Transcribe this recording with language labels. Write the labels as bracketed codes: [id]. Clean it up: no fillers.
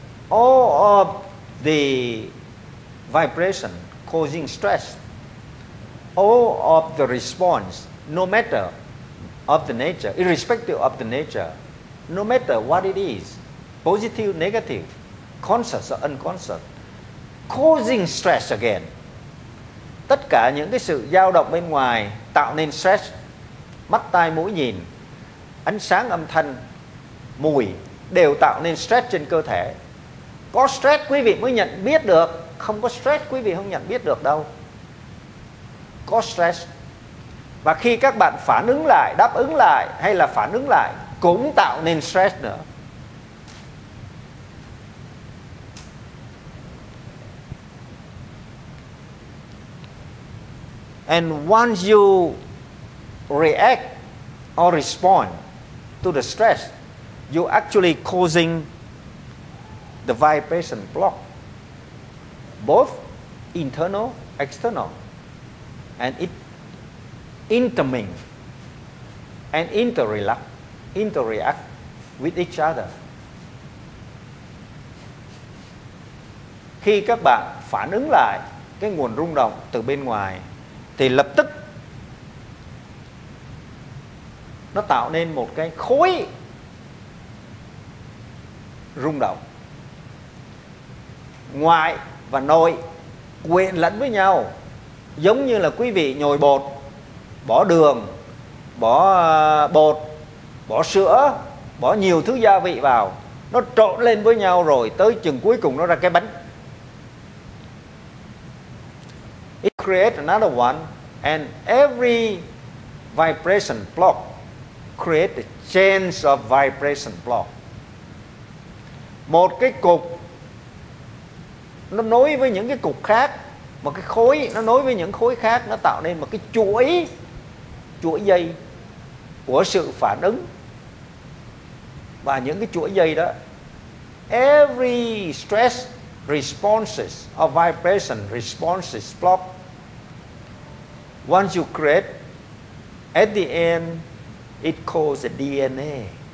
[en] All of the vibration causing stress, all of the response, no matter of the nature, irrespective of the nature, no matter what it is, positive, negative, conscious or unconscious, causing stress again. [vi] Tất cả những cái sự dao động bên ngoài tạo nên stress, mắt tai mũi nhìn, ánh sáng âm thanh, mùi đều tạo nên stress trên cơ thể. Có stress quý vị mới nhận biết được, không có stress quý vị không nhận biết được đâu. Có stress. Và khi các bạn phản ứng lại, đáp ứng lại hay là phản ứng lại cũng tạo nên stress nữa. [en] And once you react or respond to the stress, you actually causing the vibration block, both internal, external, and it intermingle and interact with each other. [vi] Khi các bạn phản ứng lại cái nguồn rung động từ bên ngoài, thì lập tức nó tạo nên một cái khối rung động ngoại và nội quyện lẫn với nhau, giống như là quý vị nhồi bột, bỏ đường, bỏ bột, bỏ sữa, bỏ nhiều thứ gia vị vào, nó trộn lên với nhau, rồi tới chừng cuối cùng nó ra cái bánh. [en] It creates another one, and every vibration block creates a chain of vibration block. [vi] Một cái cục nó nối với những cái cục khác, một cái khối nó nối với những khối khác, nó tạo nên một cái chuỗi dây của sự phản ứng. Và những cái chuỗi dây đó, [en] every stress responses or vibration responses block, once you create, at the end it calls the DNA.